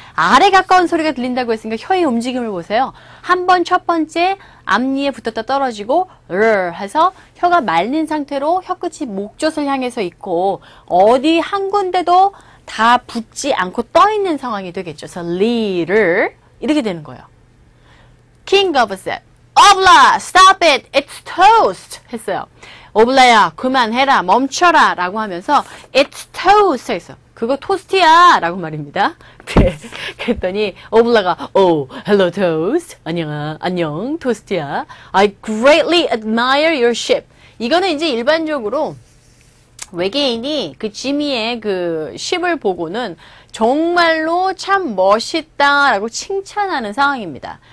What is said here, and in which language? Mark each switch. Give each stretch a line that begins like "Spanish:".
Korean: R에 가까운 소리가 들린다고 했으니까 혀의 움직임을 보세요. 한번 첫 번째 앞니에 붙었다 떨어지고 r 해서 혀가 말린 상태로 혀끝이 목젖을 향해서 있고 어디 한 군데도 다 붙지 않고 떠 있는 상황이 되겠죠. 그래서 leader 이렇게 되는 거예요.
English: King of a set. Obla, stop it. It's toast. 했어요.
Korean: 오블라야, 그만해라, 멈춰라 라고 하면서
English: It's toast
Korean: 했어. 그거 토스트야 라고 말입니다. 네. 그랬더니 오블라가
English: Oh, hello toast.
Korean: 안녕, 안녕 토스트야.
English: I greatly admire your ship.
Korean: 이거는 이제 일반적으로 외계인이 그 지미의 그 ship을 보고는 정말로 참 멋있다 라고 칭찬하는 상황입니다.